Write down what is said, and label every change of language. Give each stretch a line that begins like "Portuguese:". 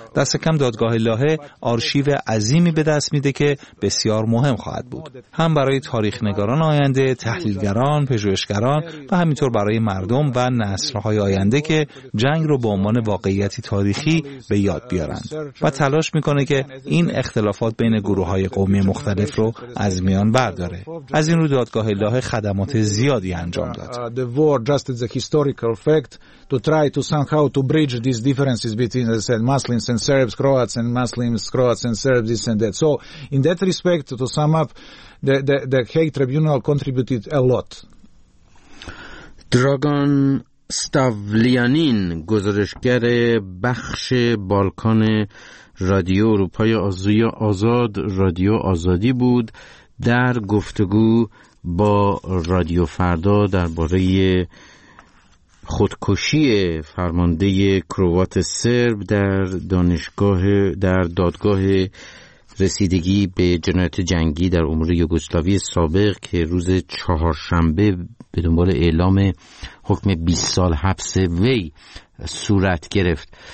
Persian: دست کم دادگاه لاهه آرشیو عظیمی به دست میده که بسیار مهم خواهد بود، هم برای تاریخ نگاران آینده، تحلیلگران، پژوهشگران و همینطور برای مردم و نسلهای آینده که جنگ رو به عنوان واقعیتی تاریخی به یاد بیارند و تلاش میکنه که این اختلافات بین گروههای قومی مختلف رو از میان برداره. از این رو دادگاه لاهه خدمات زیادی انجام داد.
English: The war just as a historical fact to try to somehow to bridge these differences between the Muslims and Serbs, Croats and Muslims, Croats and Serbs, this and that. So in that respect, to sum up, the Hague Tribunal contributed a lot.
Persian: Dragan Stavlianin, گزارشگر بخش بالکان رادیو اروپای آزاد، رادیو آزادی بود. در گفتگو با رادیو فردا درباره خودکشی فرمانده کروات سرب در دانشگاه در دادگاه رسیدگی به جنایت جنگی در امور یوگسلاوی سابق که روز چهارشنبه به دنبال اعلام حکم 20 سال حبس وی صورت گرفت.